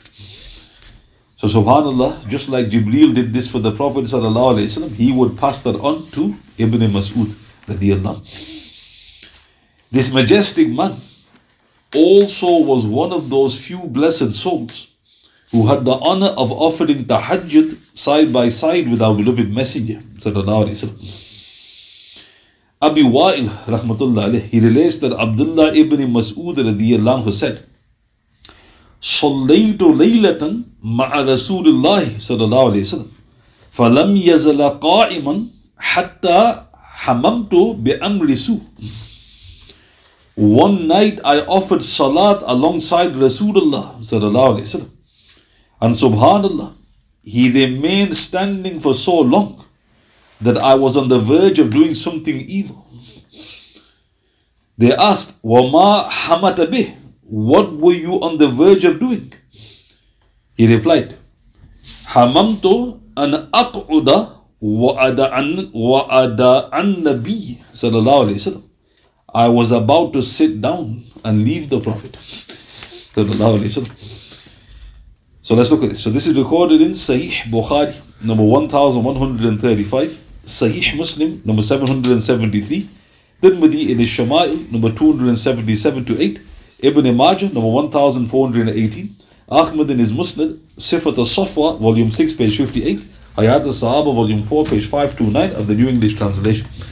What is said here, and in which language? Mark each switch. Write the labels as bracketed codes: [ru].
[en] So subhanAllah, just like Jibreel did this for the Prophet sallallahu alayhi wa sallam, he would pass that on to Ibn Mas'ud radiallahu anhu. This majestic man also was one of those few blessed souls who had the honor of offering Tahajjud side by side with our beloved messenger sallallahu alayhi wa sallam. Abi Wa'il rahmatullah alayhi, he relates that Abdullah Ibn Mas'ud radiallahu anhu said, [ar] صَلَّيْتُ لَيْلَةً مَعَ رَسُولِ اللَّهِ صَلَى اللَّهُ عَلَيْهِ وَسَلَمْ فَلَمْ يَزَلَ قَائِمًا حَتَّى حَمَمْتُ بِأَمْرِ سُوءٍ. [en] One night I offered salat alongside Rasulullah صلى الله عليه وسلم, and subhanAllah, he remained standing for so long that I was on the verge of doing something evil. They asked, [ar] وَمَا حَمَتَ بِهِ, [en] what were you on the verge of doing? He replied, [ar] حَمَمْتُ أَنْ أَقْعُدَ وَأَدَعَ النَّبِي صلى الله عليه وسلم. [en] I was about to sit down and leave the Prophet صلى الله عليه وسلم. So let's look at this. So this is recorded in Sahih Bukhari, number 1135, Sahih Muslim, number 773, Tirmidhi in Shama'il, number 277-8, Ibn Majah, number 1418, Ahmad in his Musnad, Sifat al-Safwa, volume 6, page 58, Hayat al-Sahaba, volume 4, page 529 of the New English Translation.